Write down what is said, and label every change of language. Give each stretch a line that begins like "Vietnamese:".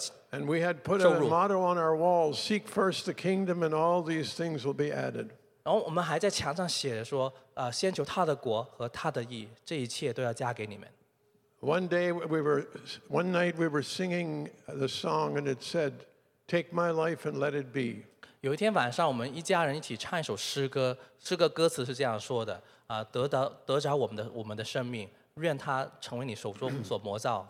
English: And we had put a motto on our walls, seek first the kingdom and all these things will be added.
Chinese: 然后我们还在墙上写着说：“先求他的国和他的义，这一切都要加给你们。”
English: One night we were singing the song and it said, "Take my life and let it be."
Chinese: 有一天晚上，我们一家人一起唱一首诗歌。诗歌歌词是这样说的：“得着我们的生命，愿它成为你手中所魔造。”